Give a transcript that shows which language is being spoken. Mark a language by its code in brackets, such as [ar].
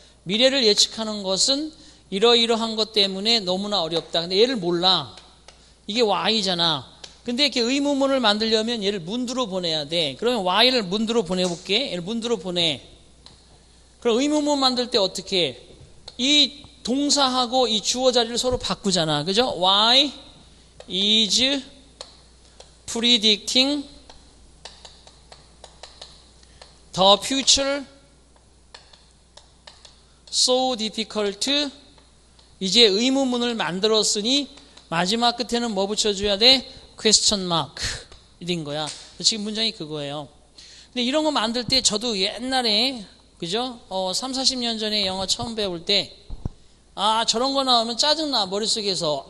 [ko] 미래를 예측하는 것은 이러이러한 것 때문에 너무나 어렵다. 근데 얘를 몰라. 이게 why잖아. 근데 이렇게 의문문을 만들려면 얘를 문두로 보내야 돼. 그러면 why를 문두로 보내볼게. 얘를 문두로 보내. 그럼 의문문 만들 때 어떻게 이 동사하고 이 주어 자리를 서로 바꾸잖아. 그죠? [en] Why is predicting the future so difficult [ko] 이제 의문문을 만들었으니 마지막 끝에는 뭐 붙여줘야 돼? question mark 이런 거야. 지금 문장이 그거예요. 근데 이런 거 만들 때 저도 옛날에 그죠? 30-40년 전에 영어 처음 배울 때 아 저런 거 나오면 짜증나 머릿속에서.